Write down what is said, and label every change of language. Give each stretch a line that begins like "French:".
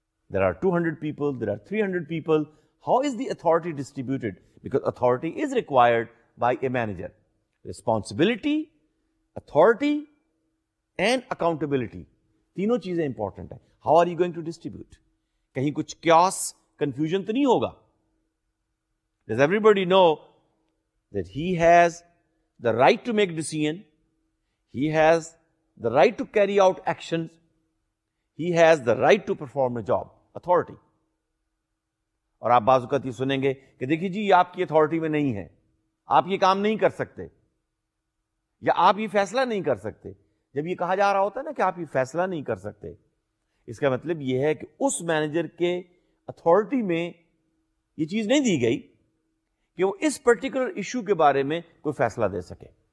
English: There are 200 people, there are 300 people, how is the authority distributed, because authority is required by a manager. Responsibility, authority and accountability,
Urdu: تینوں چیزیں important ہیں.
English: how are you going to distribute,
Urdu: کہیں کچھ chaos confusion تو نہیں ہوگا.
English: Does everybody know that he has the right to make decision, he has the right to carry out actions, he has the right to perform a job, authority.
Urdu: اور آپ بعض اوقات یہ سنیں گے کہ دیکھیے جی, یہ آپ کی اتھارٹی میں نہیں ہے, آپ یہ کام نہیں کر سکتے, یا آپ یہ فیصلہ نہیں کر سکتے. جب یہ کہا جا رہا ہوتا ہے نا کہ آپ یہ فیصلہ نہیں کر سکتے, اس کا مطلب یہ ہے کہ اس مینیجر کے اتھارٹی میں یہ چیز نہیں دی گئی کہ وہ اس پرٹیکولر ایشو کے بارے میں کوئی فیصلہ دے سکے.